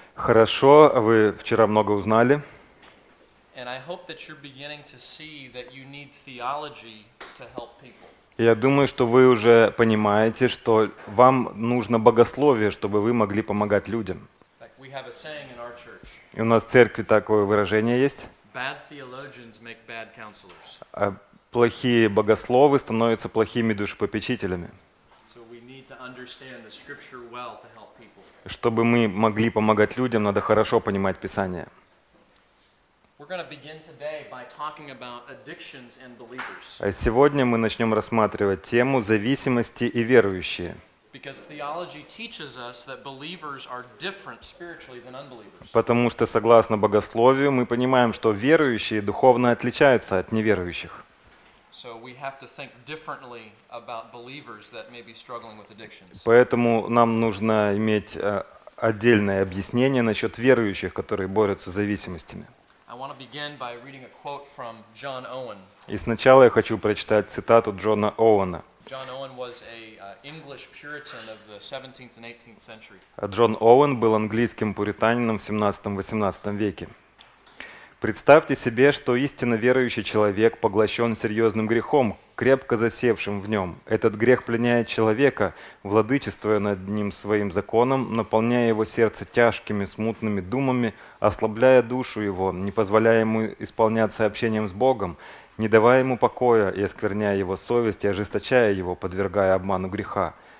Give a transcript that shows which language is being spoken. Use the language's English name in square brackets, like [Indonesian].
[Russian] Хорошо, вы вчера много узнали. [English] And I hope that you're beginning to see that you need theology to help people. [Russian] Я думаю, что вы уже понимаете, что вам нужно богословие, чтобы вы могли помогать людям. [English] Like we have a saying in our church. [Russian] И у нас в церкви такое выражение есть. [English] Bad theologians make bad counselors. [Russian] Плохие богословы становятся плохими душепопечителями. [English] So we need to understand the scripture well to help people. [Russian] Чтобы мы могли помогать людям, надо хорошо понимать Писание. [English] We're going to begin today by talking about addictions and believers. [Russian] Сегодня мы начнем рассматривать тему зависимости и верующие. [English] Because theology teaches us that believers are different spiritually than unbelievers. [Russian] Потому что согласно богословию мы понимаем, что верующие духовно отличаются от неверующих. [English] So we have to think differently about believers that may be struggling with addictions. [Russian] Поэтому нам нужно иметь отдельное объяснение насчет верующих, которые борются с зависимостями. [English] I want to begin by reading a quote from John Owen. [Russian] И сначала я хочу прочитать цитату Джона Оуэна. [English] John Owen was a English Puritan of the 17th and 18th century. [Russian] Джон Оуэн был английским пуританином в 17-18 веке. Представьте себе, что истинно верующий человек поглощен серьезным грехом, крепко засевшим в нем. Этот грех пленяет человека, владычествуя над ним своим законом, наполняя его сердце тяжкими, смутными думами, ослабляя душу его, не позволяя ему исполняться общением с Богом, не давая ему покоя и оскверняя его совесть, и ожесточая его, подвергая обману греха.